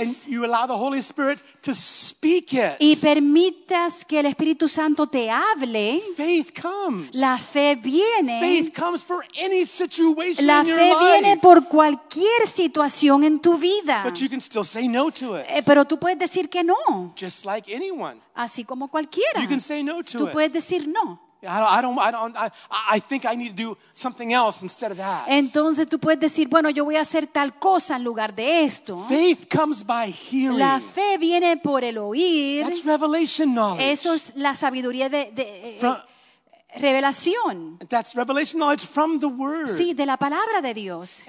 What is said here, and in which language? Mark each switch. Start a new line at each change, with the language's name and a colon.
English: And you allow the Holy Spirit to speak it.
Spanish: Y permitas que el Espíritu Santo te hable.
English: Faith comes.
Spanish: La fe viene.
English: Faith comes for any situation in your
Spanish: life. La fe viene por cualquier situación en tu vida.
English: But you can still say no to it.
Spanish: Pero tú puedes decir que no.
English: Just like anyone.
Spanish: Así como cualquiera.
English: You can say no to it.
Spanish: Tú puedes decir no.
English: I think I need to do something else instead of that.
Spanish: Entonces tú puedes decir, bueno, yo voy a hacer tal cosa en lugar de esto.
English: Faith comes by hearing.
Spanish: La fe viene por el oír.
English: That's revelation knowledge.
Spanish: Eso es la sabiduría de from, revelación.
English: That's revelation knowledge from the word.
Spanish: Sí, de la palabra de Dios.